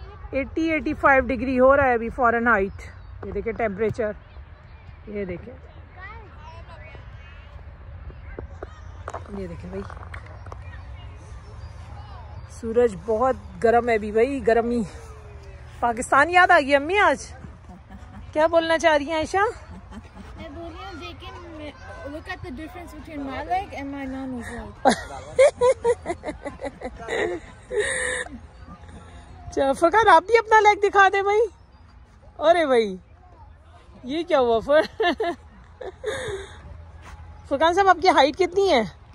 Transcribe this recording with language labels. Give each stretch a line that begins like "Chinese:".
Hindi: 80-85 degree हो रहा है अभी फॉरन हाइट, ये देखिए टेम्परेचर, ये देखिए ये देखे भाई सूरज बहुत गर्म है अभी भाई, गर्मी पाकिस्तान याद आ गई अम्मी आज। क्या बोलना चाह रही हैं आयशा? मैं बोल रही हूँ देखिए
English: look at the difference between my leg and my nanu's leg।
Hindi: चल फकर आप भी अपना लेग दिखा दे भाई। अरे भाई ये क्या हुआ फर फकर साहब आपकी हाइट कितनी है?